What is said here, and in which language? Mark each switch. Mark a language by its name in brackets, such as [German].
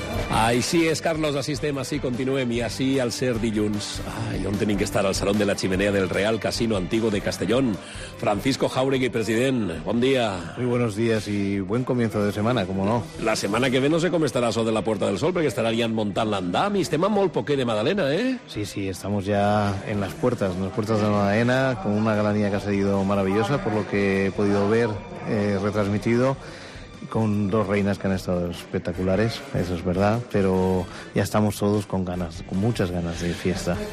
[Catalan] Ay, sí, es Carlos, así estem, así continuem, i así al ser dilluns. Ai, on tenim que estar? Al Salón de la Chimenea del Real Casino Antiguo de Castellón. Francisco Jauregui, president, bon dia. [Spanish] Muy buenos días y buen comienzo de semana, como no. [Catalan] La semana que ve no sé com estarà això de la Puerta del Sol, perquè estarà ja muntant l'andam i estem a molt poquet de Magdalena, eh? [Spanish] Sí, sí, estamos ya en las puertas de Magdalena, con una galanía que ha sido maravillosa, por lo que he podido ver retransmitido. Con dos reinas que han estado espectaculares, eso es verdad, pero ya estamos todos con ganas, con muchas ganas de fiesta.